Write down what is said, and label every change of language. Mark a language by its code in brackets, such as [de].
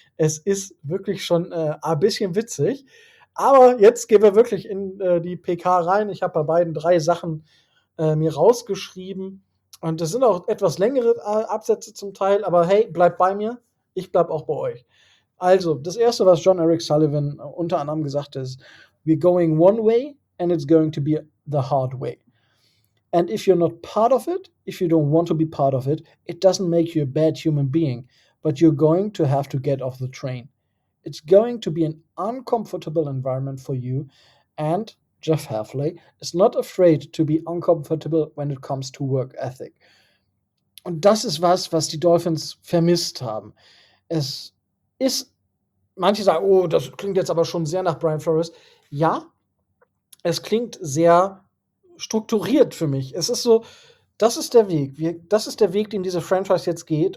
[de] Es ist wirklich schon ein bisschen witzig, aber jetzt gehen wir wirklich in die PK rein. Ich habe bei beiden 3 Sachen mir rausgeschrieben und das sind auch etwas längere Absätze zum Teil, aber hey, bleibt bei mir, ich bleib auch bei euch. Also, das Erste, was John Eric Sullivan unter anderem gesagt hat, ist: [en] We're going one way and it's going to be the hard way. And if you're not part of it, if you don't want to be part of it, it doesn't make you a bad human being, but you're going to have to get off the train. It's going to be an uncomfortable environment for you, and Jeff Halfley is not afraid to be uncomfortable when it comes to work ethic. [de] Und das ist was die Dolphins vermisst haben. Es ist, manche sagen, oh, das klingt jetzt aber schon sehr nach Brian Flores. Ja, es klingt sehr strukturiert für mich. Es ist so, das ist der Weg. Das ist der Weg, den diese Franchise jetzt geht.